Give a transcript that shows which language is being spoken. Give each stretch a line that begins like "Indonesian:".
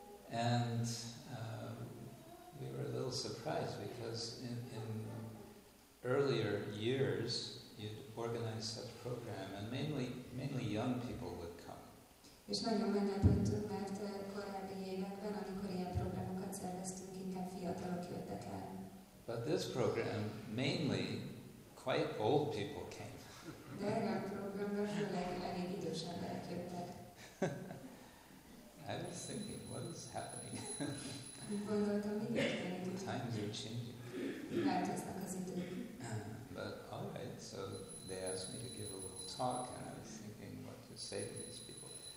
English: And we were a little surprised because in earlier years you'd organize such program and mainly young people would come.
Hungarian: És nagyon meglepődtünk, mert korábbi években, amikor ilyen programokat szerveztünk, inkább fiatalok jöttek el.
English: But this program, mainly, quite old people came.
Hungarian: De erre a programban főleg elég idős emberek jöttek.
English: I was thinking, what is happening?
Hungarian: Gondoltam, mi történik?
English: Times are changing.
Hungarian: Változnak az idők.
English: But all right, so they asked me to give a little talk, and I was thinking what to say to these people.